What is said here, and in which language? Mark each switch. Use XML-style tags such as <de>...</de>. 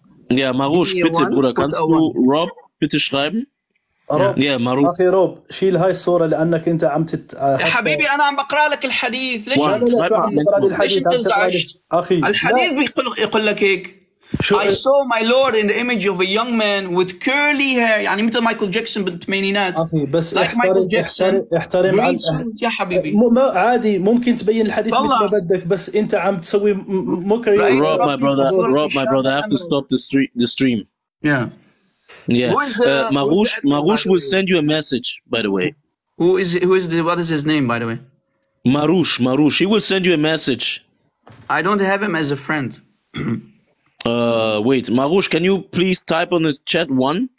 <de>Yeah, Marouche, bitte, Bruder, kannst du Rob bitte schreiben?</de> <ar>روب. اخي روب شيل هاي الصوره لانك انت عم حبيبي انا عم بقرا لك الحديث، ليش انت انزعجت؟ اخي الحديث بيقول لك هيك</ar> <en>I saw my lord in the image of a young man with curly hair</en> <ar>يعني مثل مايكل جاكسون بالثمانينات اخي بس like احترم يا حبيبي عادي ممكن تبين الحديث مثل ما بدك بس انت عم تسوي مكري</ar> <en>Rob my brother rob my brother I have to stop the stream yeah Yeah, Marouche will send you a message, by the way. What is his name, by the way? Marouche, he will send you a message. I don't have him as a friend. wait, Marouche, can you please type on the chat one?</en>